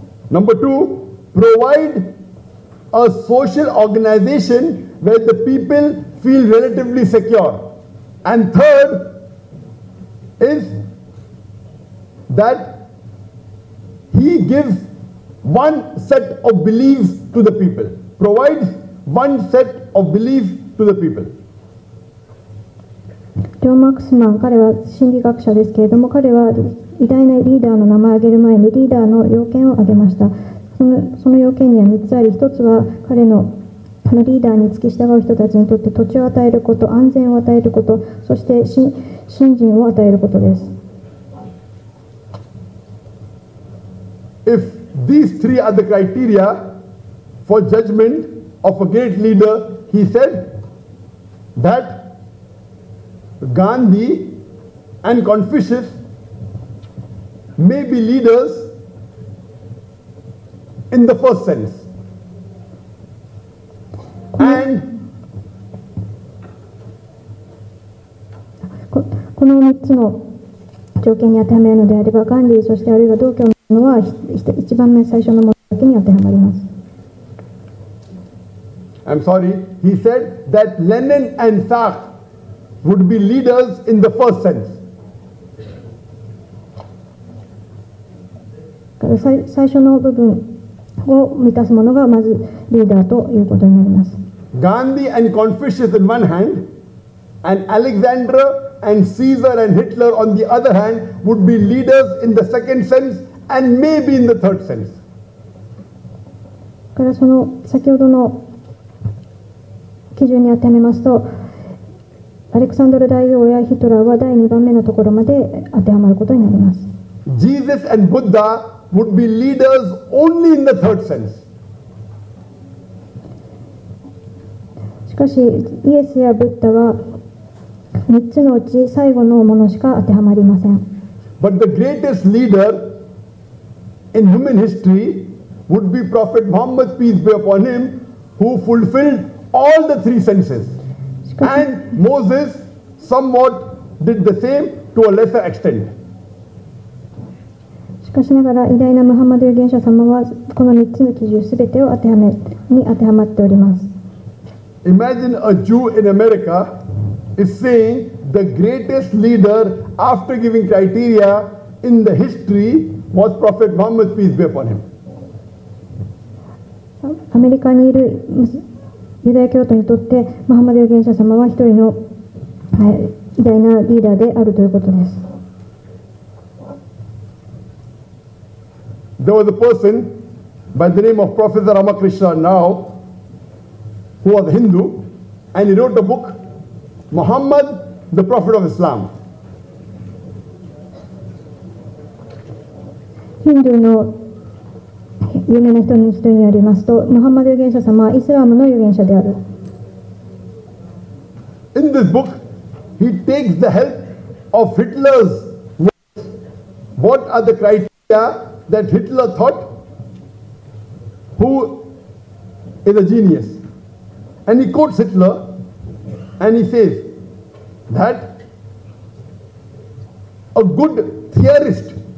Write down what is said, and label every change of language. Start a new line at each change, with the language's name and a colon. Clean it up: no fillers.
English: Number two, provide a social organization where the people feel relatively secure. And third is that he gives one set of beliefs to the people. Provides one set of beliefs to the people.
Japanese: ジョン・マクスマン、彼は心理学者ですけれども、彼は偉大なリーダーの名前を挙げる前にリーダーの要件を挙げました。その要件には3つあり、1つは彼のこのリーダーに付き従う人たちにとって土地を与えること、安全を与えること、そして信心を与えることです。
English: If these three are the criteria for judgment of a great leader, he said that Gandhi and Confucius may be leaders in the first sense. And
Japanese: この3つの条件に当てはめるのであれば、ガンディ、そしてあるいは同教のは一番目最初のものだけに当てはまります。
English: I'm sorry, he said that Lenin and Sartre would be leaders in the first sense.
Japanese: 最初の部分を満たすものがまずリーダーということになります。
English: Gandhi and Confucius on one hand, and Alexander and Caesar and Hitler on the other hand, would be leaders in the second sense and maybe in the third sense.
Japanese: からその先ほどの基準に当てはめますと、アレクサンドル大王やヒトラーは第2番目のところまで当てはまることになります。
English: Jesus and Buddha would be leaders only in the third sense.
Japanese: しかし、イエスやブッダは3つのうち最後のものしか当てはまりません。
English: But the greatest leader in human history would be Prophet Muhammad, peace be upon him, who fulfilledall the three senses. And Moses somewhat did the same to a lesser extent.
Japanese: しかしながら、偉大なムハンマド預言者様はこの3つの基準すべてを当てはまっております。
English: Imagine a Jew in America is saying the greatest leader after giving criteria in the history was Prophet Muhammad, peace be upon him.
Japanese: アメリカにいるユダヤ教徒にとってムハンマド預言者様は一人の、偉大なリーダーであるということです。
English: There was a person by the name of Professor Ramakrishna Rao who was a Hindu and he wrote a book Muhammad the Prophet of Islam.
Japanese: ヒンドゥーの有名な人の人によりますと、ムハンマド預言者様はイスラムの預言者である。
English: In this book, he takes the help of Hitler's words. What are the criteria that Hitler thought? Who is a genius? And he quotes Hitler and he says that a good theorist